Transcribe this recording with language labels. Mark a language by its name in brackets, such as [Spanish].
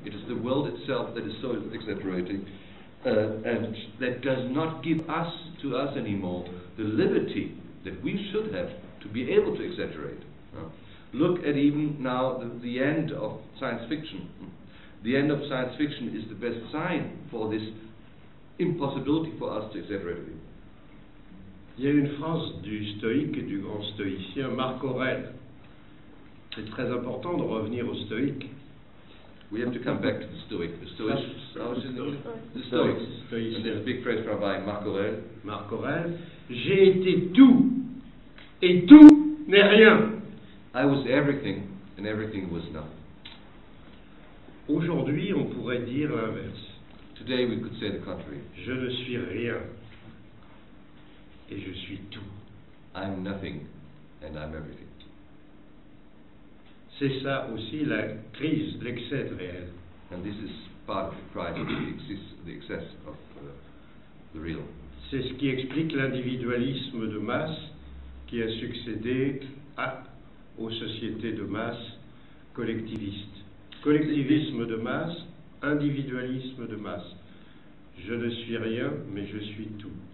[English] It is the world itself that is so exaggerating, and that does not give us to us anymore the liberty that we should have to be able to exaggerate. Look at even now the end of science fiction. The end of science fiction is the best sign for this impossibility for us to exaggerate. [French] Il y a une phrase du stoïque et du grand stoïcien Marc Aurèle. C'est très important de revenir au stoïque. [English] We have to come back to the stoic. The stoic. The stoic. And there's a big phrase from by Marc Aurèle. [French] Marc Aurèle. J'ai été tout et tout n'est rien. [English] I was everything and everything was nothing. [French] Aujourd'hui, on pourrait dire l'inverse. [English] Today we could say the contrary. [French] Je ne suis rien. Et je suis tout. [English] I'm nothing and I'm everything. [French] C'est ça aussi la crise, l'excès de réel. [English] And this is part of the crisis, the excess of the real. [French] C'est ce qui explique l'individualisme de masse qui a succédé aux sociétés de masse collectivistes. Collectivisme de masse, individualisme de masse. Je ne suis rien, mais je suis tout.